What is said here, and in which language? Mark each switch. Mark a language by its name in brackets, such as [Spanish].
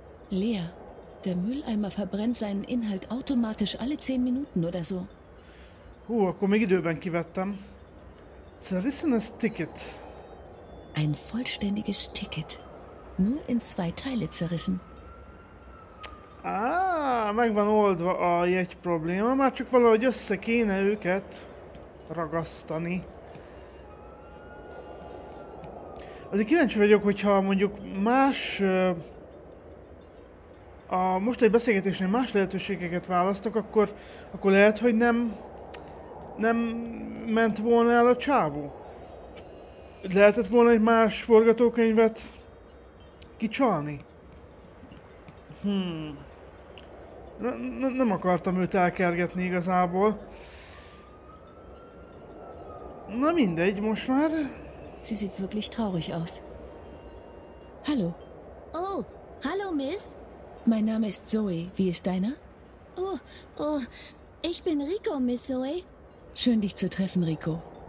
[German] Lea, der Mülleimer verbrennt seinen Inhalt automatisch alle 10 Minuten oder so. [Hungarian] Akkor még időben kivettem. [German] Zerrissenes Ticket. Ein vollständiges Ticket. Nur in 2 Teile zerrissen. [Hungarian] Megvan oldva a jegyprobléma, már csak valahogy össze kéne őket ragasztani. Azért kíváncsi vagyok, hogyha mondjuk más... A mostani beszélgetésnél más lehetőségeket választok, akkor lehet, hogy nem ment volna el a csávó. Lehetett volna egy más forgatókönyvet kicsalni? Nem akartam őt elkergetni igazából. Na mindegy, most már. [German] Sie sieht wirklich traurig aus. Hallo. Oh, hallo, Miss. Mein Name ist Zoe. Wie ist deiner? Oh, ich bin Rico, Miss Zoe. Schön, dich zu treffen, Rico.